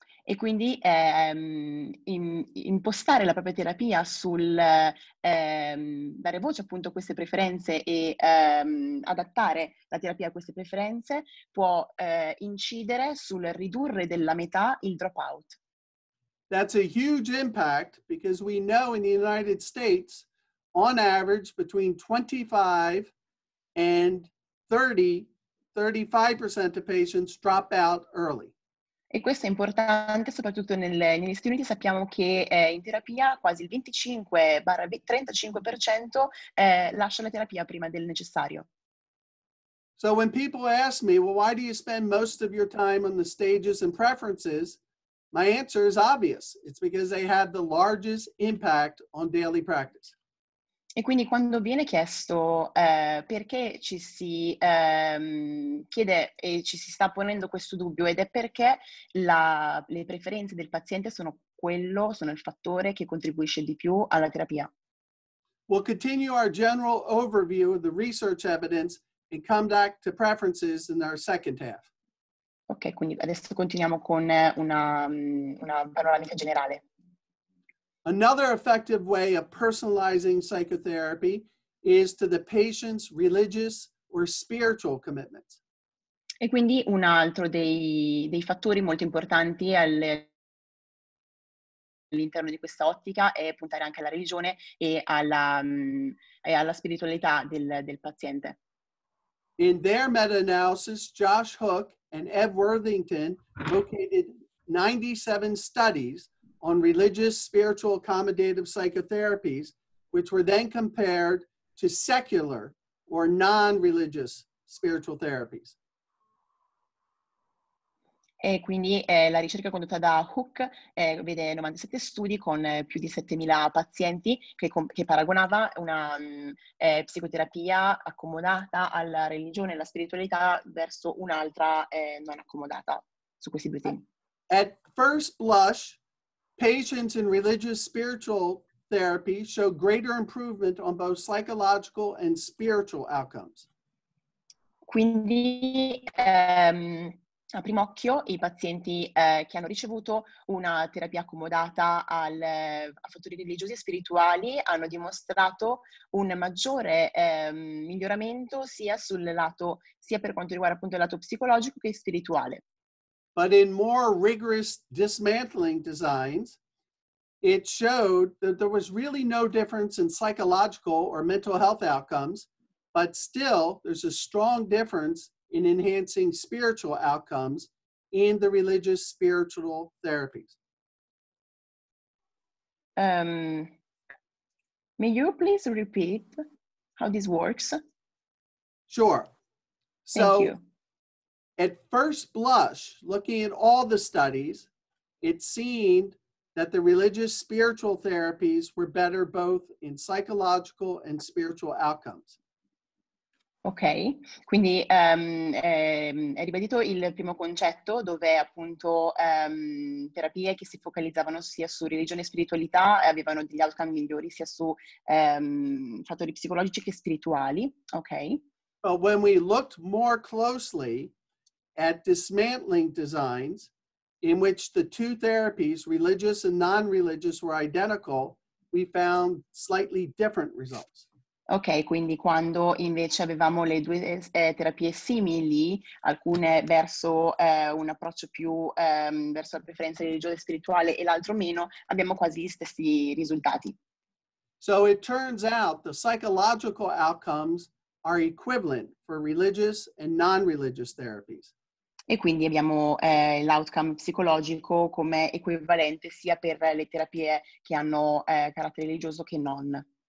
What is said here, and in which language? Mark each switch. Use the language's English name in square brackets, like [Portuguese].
[Italian] E quindi impostare la propria terapia sul dare voce appunto a queste preferenze e adattare la terapia a queste preferenze può incidere sul ridurre della metà il dropout. [English] That's a huge impact because we know in the United States, on average, between 25 and 35% of patients drop out early. [Italian] E questo è importante soprattutto negli Stati Uniti. Sappiamo che in terapia quasi il 25-35% lascia la terapia prima del necessario. [English] So when people ask me, well, why do you spend most of your time on the stages and preferences? My answer is obvious. It's because they have the largest impact on daily practice. [Italian] E quindi quando viene chiesto perché ci si chiede e ci si sta ponendo questo dubbio ed è perché le preferenze del paziente sono il fattore che contribuisce di più alla terapia. [English] We'll continue our general overview of the research evidence and come back to preferences in our second half. [Italian] Ok, quindi adesso continuiamo con una panoramica generale. [English] Another effective way of personalizing psychotherapy is to the patient's religious or spiritual commitments. [Italian] E quindi un altro dei fattori molto importanti all'interno di questa ottica è puntare anche alla religione e alla spiritualità del paziente. [English] In their meta-analysis, Josh Hook and Ev Worthington located 97 studies on religious, spiritual, accommodative psychotherapies, which were then compared to secular or non-religious spiritual therapies. [Italian] E quindi la ricerca condotta da Hook vede 97 studi con più di 7.000 pazienti che paragonava una psicoterapia accomodata alla religione e alla spiritualità verso un'altra non accomodata su questi due temi. [English] At first blush, patients in religious spiritual therapy show greater improvement on both psychological and spiritual outcomes. [Italian] Quindi, a primo occhio, i pazienti che hanno ricevuto una terapia accomodata a fattori religiosi e spirituali hanno dimostrato un maggiore miglioramento sia per quanto riguarda appunto il lato psicologico che spirituale. [English] But in more rigorous dismantling designs, it showed that there was really no difference in psychological or mental health outcomes, but still there's a strong difference in enhancing spiritual outcomes in the religious spiritual therapies. May you please repeat how this works? Sure. So, thank you. At first blush, looking at all the studies, it seemed that the religious spiritual therapies were better both in psychological and spiritual outcomes. [Italian] Ok, quindi è ribadito il primo concetto dove appunto terapie che si focalizzavano sia su religione e spiritualità avevano degli outcome migliori sia su fattori psicologici che spirituali, ok? [English] But when we looked more closely at dismantling designs in which the two therapies, religious and non-religious, were identical, we found slightly different results. [Italian] Ok, quindi quando invece avevamo le due terapie simili, alcune verso un approccio più verso la preferenza religiosa e spirituale e l'altro meno, abbiamo quasi gli stessi risultati. [English] So it turns out the psychological outcomes are equivalent for religious and non-religious therapies. [Italian] E quindi abbiamo l'outcome psicologico come equivalente sia per le terapie che hanno carattere religioso che non.